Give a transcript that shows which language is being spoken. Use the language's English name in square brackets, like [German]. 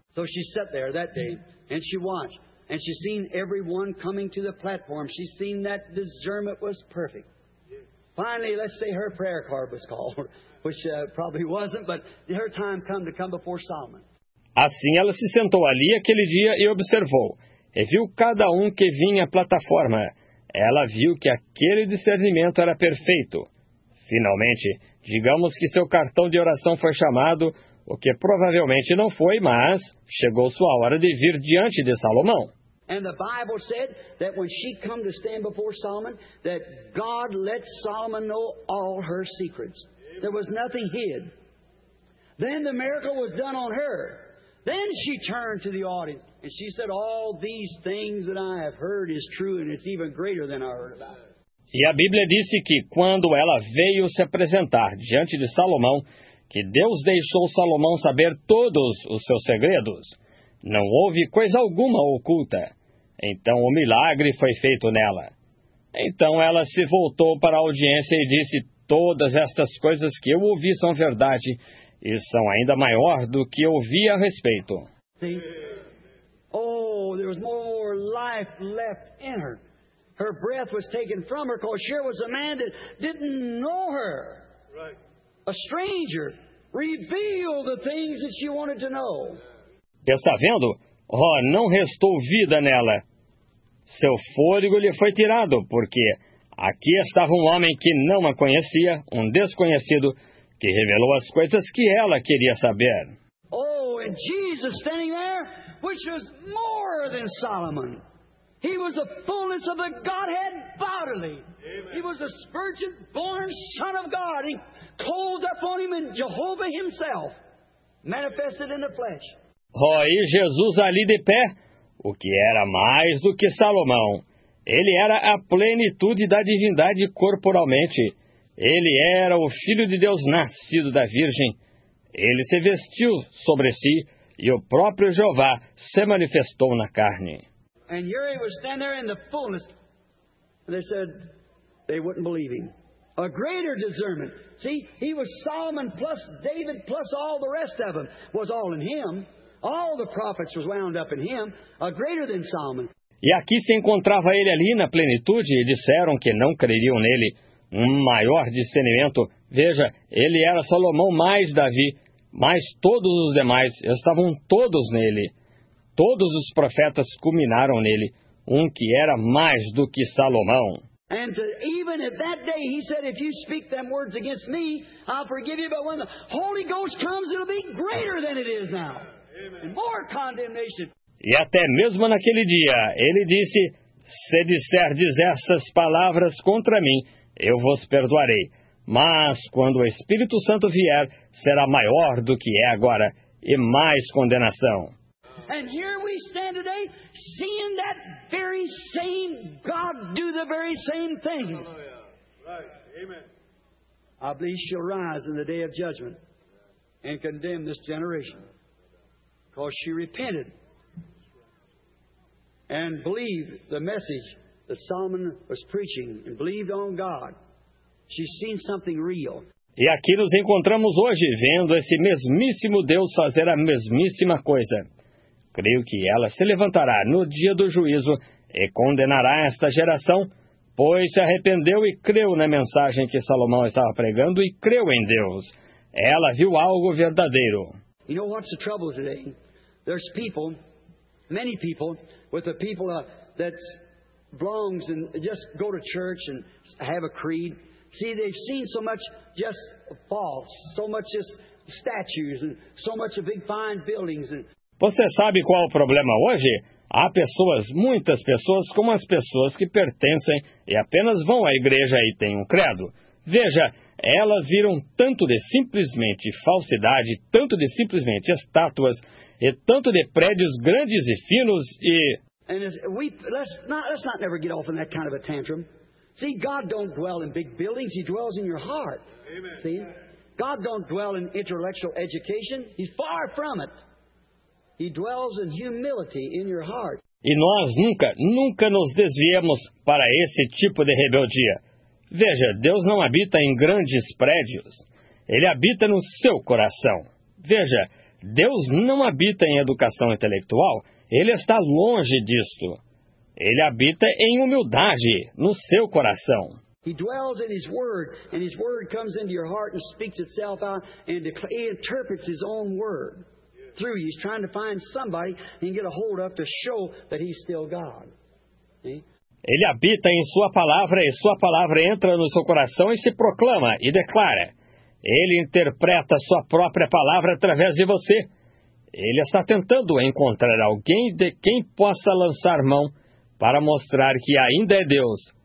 [English] So she sat there that day, and she watched, and she seen everyone coming to the platform. She seen that discernment was perfect. Finally, let's say her prayer card was called, which probably wasn't, but her time come to come before Solomon. [Portuguese] Assim, ela se sentou ali aquele dia e observou, e viu cada um que vinha à plataforma. Ela viu que aquele discernimento era perfeito. Finalmente, digamos que seu cartão de oração foi chamado, o que provavelmente não foi, mas chegou sua hora de vir diante de Salomão. [English] And the Bible said that when she come to stand before Solomon, that God let Solomon know all her secrets. There was nothing hid. Then the miracle was done on her. Then she turned to the audience and she said, all these things that I have heard is true and it's even greater than I heard about. [Portuguese] E a Bíblia disse que quando ela veio se apresentar diante de Salomão, que Deus deixou Salomão saber todos os seus segredos. Não houve coisa alguma oculta. Então o milagre foi feito nela. Então ela se voltou para a audiência e disse, todas estas coisas que eu ouvi são verdade e são ainda maior do que eu ouvi a respeito. [English] See? Oh, there was more life left in her. Her breath was taken from her because she was a man that didn't know her. Right. A stranger revealed the things that she wanted to know. [Portuguese] Está vendo? Oh, não restou vida nela. Seu fôlego lhe foi tirado, porque aqui estava um homem que não a conhecia, um desconhecido, que revelou as coisas que ela queria saber. [English] Oh, and Jesus standing there, which was more than Solomon. He was the fullness of the Godhead bodily. Amen. He was a virgin born son of God. He clothed upon him in Jehovah himself, manifested in the flesh. [Portuguese] Oh, e Jesus ali de pé, o que era mais do que Salomão. Ele era a plenitude da divindade corporalmente. Ele era o Filho de Deus nascido da Virgem. Ele se vestiu sobre si e o próprio Jeová se manifestou na carne. [English] And Uri was standing there in the fullness. They said they wouldn't believe him. A greater discernment. See, he was Solomon plus David plus all the rest of them was all in him. All the prophets was wound up in him, a greater than Solomon. [Portuguese] E aqui se encontrava ele ali na plenitude, e disseram que não creriam nele. Um maior discernimento. Veja, ele era Salomão mais Davi, mas todos os demais estavam todos nele. Todos os profetas culminaram nele, um que era mais do que Salomão. [English] And to, even at that day he said, if you speak them words against me, I'll forgive you, but when the Holy Ghost comes, it'll be greater than it is now. More condemnation. [Portuguese] E até mesmo naquele dia, ele disse, se disserdes essas palavras contra mim, eu vos perdoarei. Mas quando o Espírito Santo vier, será maior do que é agora, e mais condenação. [English] And here we stand today, seeing that very same God do the very same thing. Right. Amen. I believe she'll rise in the day of judgment and condemn this generation. Because she repented and believed the message that Solomon was preaching and believed on God. She's seen something real. [Portuguese] E aqui nos encontramos hoje vendo esse mesmíssimo Deus fazer a mesmíssima coisa. Creio que ela se levantará no dia do juízo e condenará esta geração, pois se arrependeu e creu na mensagem que Salomão estava pregando e creu em Deus. Ela viu algo verdadeiro. [English] You know what's the trouble today? There's people, many people, with the people that belongs and just go to church and have a creed. See, they've seen so much just false, so much just statues and so much of big fine buildings. And... [Portuguese] Você sabe qual é o problema hoje? Há pessoas, muitas pessoas, como as pessoas que pertencem e apenas vão à igreja e têm um credo. Veja, elas viram tanto de simplesmente falsidade, tanto de simplesmente estátuas, e tanto de prédios grandes e finos e... [English] Let's not never get off in that kind of a tantrum. See, God don't dwell in big buildings, He dwells in your heart. Amen. See, God don't dwell in intellectual education, He's far from it. He dwells in humility in your heart. [Portuguese] E nós nunca, nunca nos desviemos para esse tipo de rebeldia. Veja, Deus não habita em grandes prédios. Ele habita no seu coração. Veja, Deus não habita em educação intelectual. Ele está longe disto. Ele habita em humildade, no seu coração. [English] He dwells in His Word, and His Word comes into your heart and speaks itself out, and He interprets His own Word through you. He's trying to find somebody he can get a hold of to show that He's still God. See? [Portuguese] Ele habita em sua palavra e sua palavra entra no seu coração e se proclama e declara. Ele interpreta sua própria palavra através de você. Ele está tentando encontrar alguém de quem possa lançar mão para mostrar que ainda é Deus.